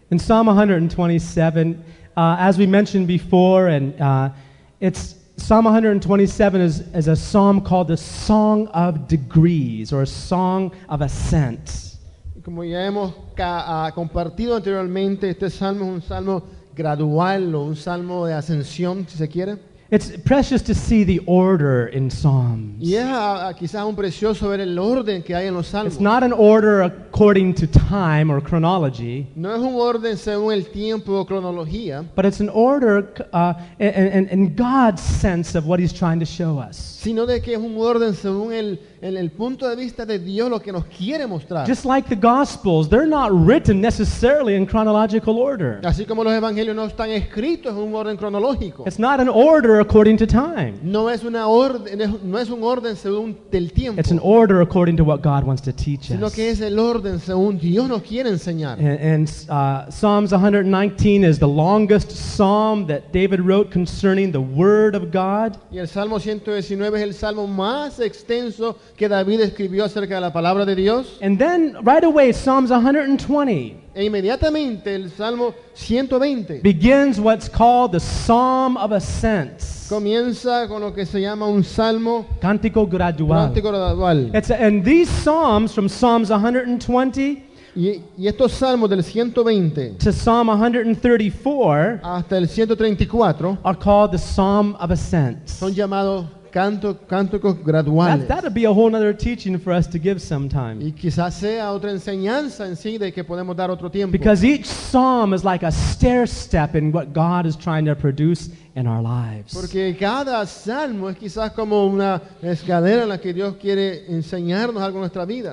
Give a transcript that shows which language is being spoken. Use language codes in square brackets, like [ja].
[en] In Psalm 127, as we mentioned before, and it's Psalm 127 is a psalm called the Song of Degrees or a Song of Ascent. [es] Como ya hemos compartido anteriormente, este salmo es un salmo gradual o un salmo de ascensión, si se quiere. [en] It's precious to see the order in Psalms. [es] Yeah, quizás un precioso ver el orden que hay en los salmos. [en] It's not an order according to time or chronology. [es] No es un orden según el tiempo o cronología. [en] But it's an order in God's sense of what He's trying to show us. [es] Sino de que es un orden según el punto de vista de Dios lo que nos quiere mostrar. [en] Just like the Gospels, they're not written necessarily in chronological order. [es] Así como los evangelios no están escritos en un orden cronológico. [en] It's not an order according to time. [es] No es un orden según el tiempo. [en] It's an order according to what God wants to teach us. [es] Sino que es el orden según Dios nos quiere enseñar. [en] And Psalms 119 is the longest psalm that David wrote concerning the Word of God. [es] Y el Salmo 119 es el salmo más extenso que David escribió acerca de la palabra de Dios. [en] And then right away Psalms 120. [es] E inmediatamente el Salmo 120 [en] begins what's called the Psalm of Ascent. [es] Comienza con lo que se llama un salmo cántico gradual. Cántico gradual. [en] And these psalms from Psalms 120 [es] y estos salmos del 120 [en] to Psalm 134 [es] hasta el 134 [en] are called the Psalm of Ascent. [es] Son llamados cántico gradual. [en] That'll be a whole other teaching for us to give sometime. [es] Y quizás sea otra enseñanza en sí de que podemos dar otro tiempo. [en] Because each psalm is like a stair step in what God is trying to produce in our lives. [es] Porque cada salmo es quizás como una escalera en la que Dios quiere enseñarnos algo en nuestra vida.